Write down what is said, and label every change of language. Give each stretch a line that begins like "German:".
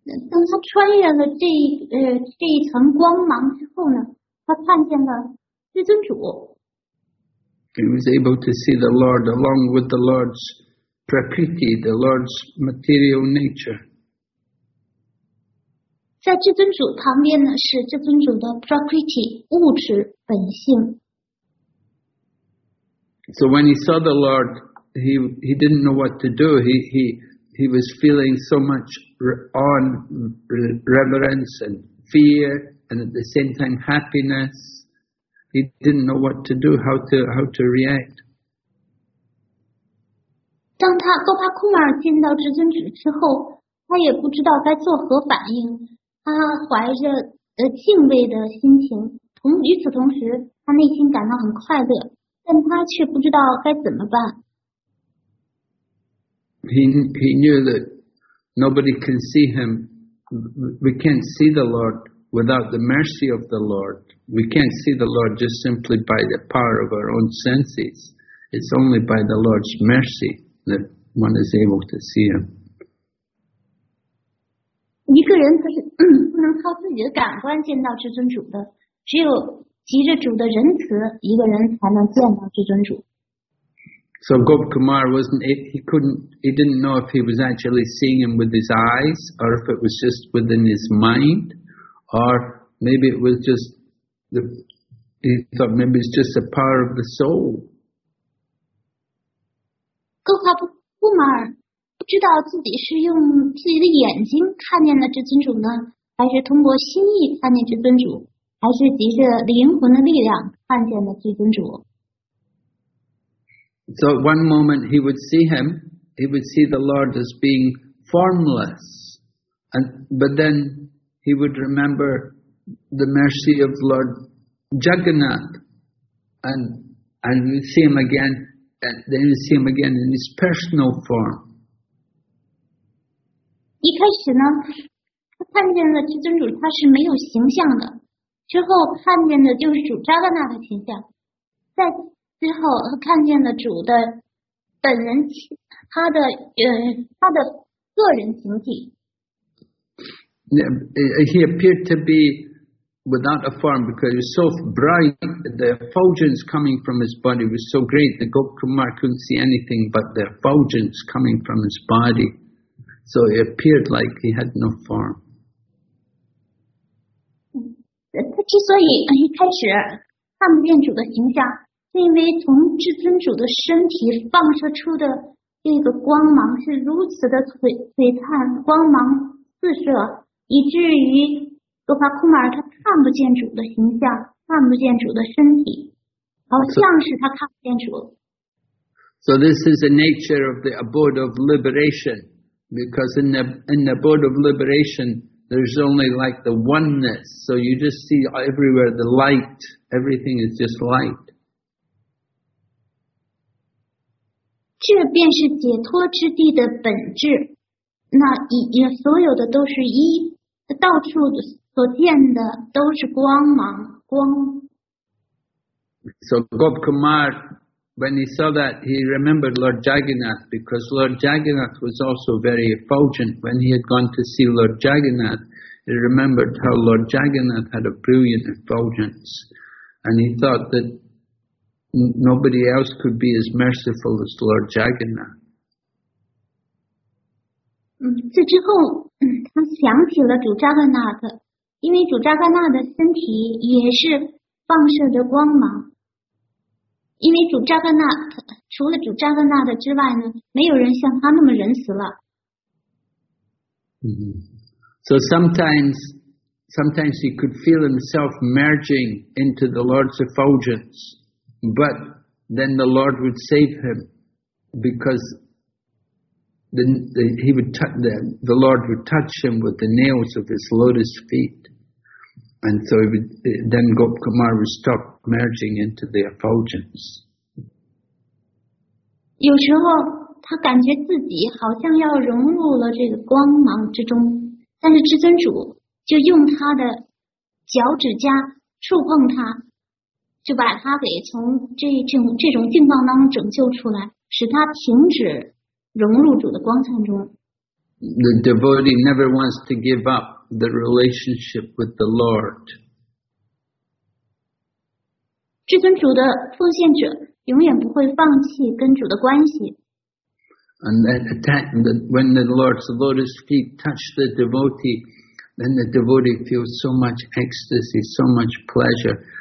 Chinese: 当他穿越了这一层光芒之后呢，他看见了至尊主。
English: He was able to see the Lord along with the Lord's prakriti, the Lord's material nature.
Chinese: 在至尊主旁边呢，是至尊主的 prakriti, 物质本性。
English: So when he saw the Lord, he didn't know what to do. He was feeling so much awe and reverence and fear and at the same time happiness. He didn't know what to do, how to react.
Chinese: 当他多帕库马尔见到至尊主之后，他也不知道该作何反应。他怀着敬畏的心情，与此同时，他内心感到很快乐，但他却不知道该怎么办。
English: He knew that nobody can see him. We can't see the Lord. Without the mercy of the Lord, we can't see the Lord just simply by the power of our own senses. It's only by the Lord's mercy that one is able to see Him.
Chinese: 一个人他是不能靠自己的感官见到至尊主的，只有藉着主的仁慈，一个人才能见到至尊主。
English: So Gop Kumar he didn't know if he was actually seeing Him with his eyes or if it was just within his mind. Or maybe it was just maybe it's just the power of the soul.
Chinese: Gopakumar 不知道自己是用自己的眼睛看见了至尊主呢，还是通过心意看见至尊主，还是藉着灵魂的力量看见了至尊主。
English: So at one moment he would see him, he would see the Lord as being formless, but then. He would remember the mercy of Lord Jagannath, and you see him again, and then you see him again in his personal form.
Chinese: 一开始呢，他看见了至尊主，他是没有形象的。之后看见的就是主扎格纳的形象，在最后他看见了主的本人，他的个人形体。
English: He appeared to be without a form because he was so bright, the effulgence coming from his body was so great that Gop Kumar couldn't see anything but the effulgence coming from his body. So he appeared like he had no form. He was so bright at the beginning, he couldn't see anything but the effulgence coming from his body. So he appeared like he had no form. He was so bright at the beginning, he couldn't see anything but the effulgence coming from his body.
Chinese: 以至于多帕库马尔他看不见主的形象，看不见主的身体，好像是他看不见主。
English: So this is the nature of the abode of liberation, because in the abode of liberation, there's only like the oneness. So you just see everywhere the light. Everything is just light.
Chinese: 这便是解脱之地的本质。那也所有的都是一。到处所见的都是光芒光。
English: So Gop Kumar, when he saw that, he remembered Lord Jagannath because Lord Jagannath was also very effulgent. When he had gone to see Lord Jagannath, he remembered how Lord Jagannath had a brilliant effulgence, and he thought that nobody else could be as merciful as Lord Jagannath.
Chinese: 这之后。他想起了主扎格纳特，因为主扎格纳的身体也是放射着光芒。因为主扎格纳特，除了主扎格纳特之外呢，没有人像他那么仁慈了。
English: So sometimes he could feel himself merging into the Lord's effulgence, but then the Lord would save him. because the Lord would touch him with the nails of his lotus feet, and so then Gop Kumar would stop merging into the effulgence.
Chinese: 有时候他感觉自己好像要融入了这个光芒之中，但是至尊主就用他的脚趾甲触碰他，就把他给从这种境况当中拯救出来，使他停止融入主的光灿中。
English: The devotee never wants to give up the relationship with the Lord.
Chinese: 至尊主的奉献者永远不会放弃跟主的关系。
English: And that attack, when the Lord's lotus feet touch the devotee, then the devotee feels so much ecstasy, so much pleasure.